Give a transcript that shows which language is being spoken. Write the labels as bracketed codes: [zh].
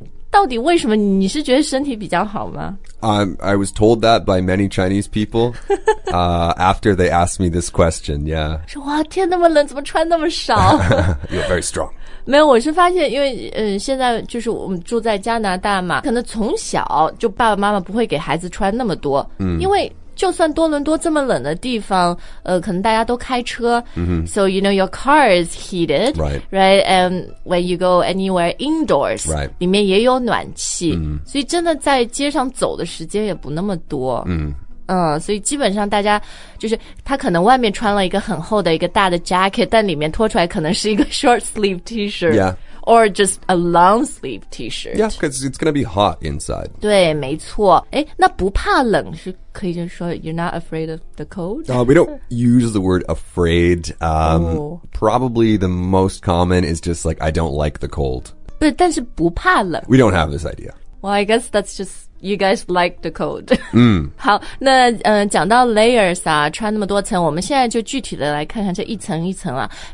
[zh] 到底为什么你是觉得身体比较好吗 [en] I was told that by many Chinese people after they asked me this question Yeah [zh] 说哇天那么冷怎么穿那么少 [en] You're very strong [zh] 没有，我是发现，因为现在就是我们住在加拿大嘛，可能从小就爸爸妈妈不会给孩子穿那么多，因为就算多伦多这么冷的地方，可能大家都开车、， [en] so you know your car is heated, right? And when you go anywhere indoors, right? [zh] 里面也有暖气，所以真的在街上走的时间也不那么多，所以基本上大家就是他可能外面穿了一个很厚的一个大的 jacket 但里面脱出来可能是一个 [en] short sleeve t-shirt Yeah Or just a long sleeve t-shirt Yeah, because it's going to be hot inside [zh] 对没错诶那不怕冷是可以就说 [en] You're not afraid of the cold? We don't use the word afraid Probably the most common is just like I don't like the cold [zh] 对但是不怕冷 [en] We don't have this idea Well, I guess that's justYou guys like the cold. [zh] 好，那讲到 layers 啊，穿那么多层，我们现在就具体的来看看这一层一层啊。